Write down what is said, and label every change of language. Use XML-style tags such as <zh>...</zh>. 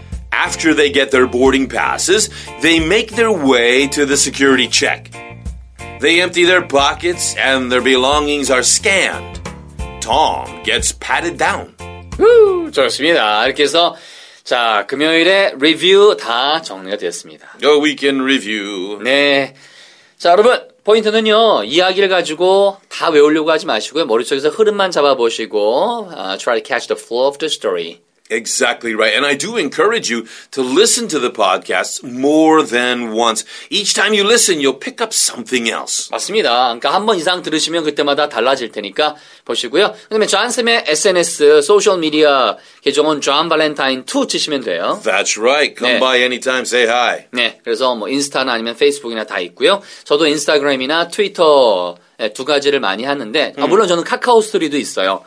<en>After they get their boarding passes, they make their way to the security check. They empty their pockets and their belongings are scanned. Tom gets patted down.</en> <ko>좋습니다. 이렇게 해서 자, 금요일에 리뷰 다 정리가 되었습니다.</ko> <en>A weekend review.</en> <ko>네. 자, 여러분. 포인트는요, 이야기를 가지고 다 외우려고 하지 마시고요. 머릿속에서 흐름만 잡아보시고,</ko> <en>try to catch the flow of the story. Exactly right. And I do encourage you to listen to the podcast more than once. Each time you listen, you'll pick up something else.</en> <ko>맞습니다. 그러니까 한 번 이상 들으시면 그때마다 달라질 테니까 보시고요. 그다음에 존쌤의 SNS, 소셜미디어 계정은 존발렌타인2 치시면 돼요.</ko> <en>That's right. Come 네. by anytime. Say hi.</en> <ko>네. 그래서 뭐 인스타나 아니면 페이스북이나 다 있고요. 저도 인스타그램이나 트위터 네, 두 가지를 많이 하는데 아, 물론 저는 카카오 스토리도 있어요.</ko>